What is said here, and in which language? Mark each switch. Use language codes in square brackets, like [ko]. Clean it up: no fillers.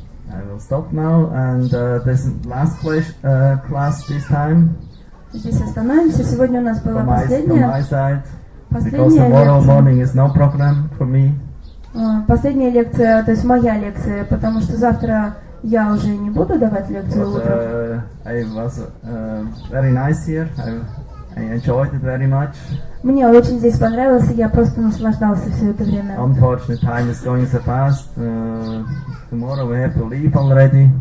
[en] I will stop now, and this last class this time. [ru] Здесь остановимся. Сегодня у нас была последняя. [en] Because tomorrow morning is no program for me. [ru] Последняя лекция, то есть моя лекция, потому что завтра я уже не буду давать лекцию утром. [en] I was very nice here. I enjoyed it very much. [ru] Мне очень здесь понравилось, и я просто наслаждался все это время. [en] Unfortunately, time is going so fast. Tomorrow we have to leave already.